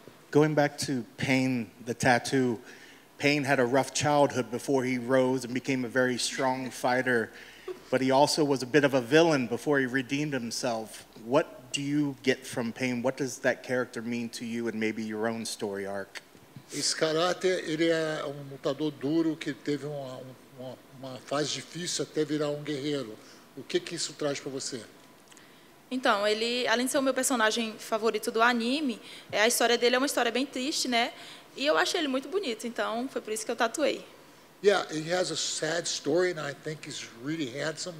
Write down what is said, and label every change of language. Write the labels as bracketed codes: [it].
[en] Going back to Payne, the tattoo, Payne had a rough childhood before he rose and became a very strong fighter, but he also was a bit of a villain before he redeemed himself. What do you get from Payne? What does that character mean to you and maybe your own story arc? [pt] Esse caráter, ele é um lutador duro que teve uma fase difícil até virar um guerreiro. O que que isso traz para você? Então, ele, além de ser o meu personagem favorito do anime, a história dele é uma história bem triste, né? E eu achei ele muito bonito, então foi por isso que eu tatuei. [en] Yeah, he has a sad story and I think he's really handsome.